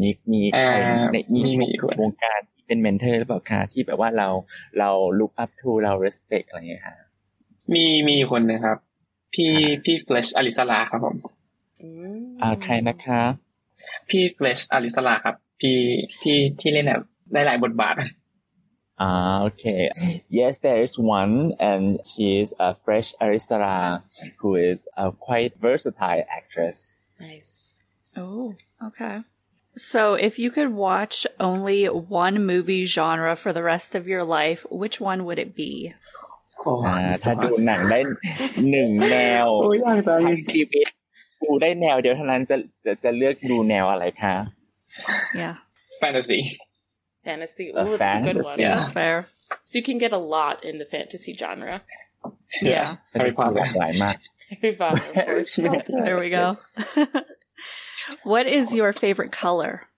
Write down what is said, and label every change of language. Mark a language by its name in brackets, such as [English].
[Thai] มีใครในวงการเป็นเมนเทอร์หรือเปล่าคะที่แบบว่าเรา [English] look up to [Thai] เรา respect อะไรอย่างเงี้ยค่ะมีคนนะครับพี่ Flash อลิสราครับผม ใครนะคะ พี่เฟรชอลิสลาครับพี่เล่นแบบได้หลายบทบาท [English] Okay yes there is one and she is a fresh Arisara who is a quite versatile actress nice oh okay so if you could watch only one movie genre for the rest of your life which one would it be [Thai] ถ้าดูหนังได้หนึ่งแนว โอ้ยอยากจะมี ชีวิตดูได้แนวเดียวเท่านั้นจะเลือกดูแนวอะไรคะ [English] Yeah Fantasy Ooh, that's a good one yeah. That's fair So you can get a lot in the fantasy genre Yeah, yeah. Harry Potter Harry Potter There we go What is your favorite color?